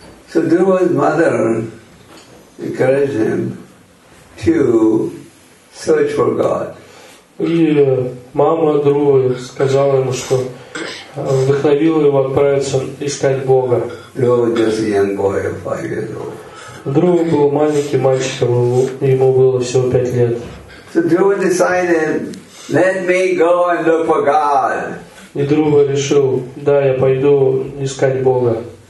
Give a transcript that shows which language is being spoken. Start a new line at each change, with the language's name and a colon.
English: So Dhruva's mother encouraged him to search for God.
Russian: И мама Dhruva сказала ему, что вдохновила его отправиться искать Бога.
English: Dhruva was just a young boy of 5 years old.
Russian: Dhruva был маленьким мальчиком, ему было всего 5 лет.
English: So Dhruva decided, let me go and look for God.
Russian: И Dhruva решил: да, я пойду искать Бога.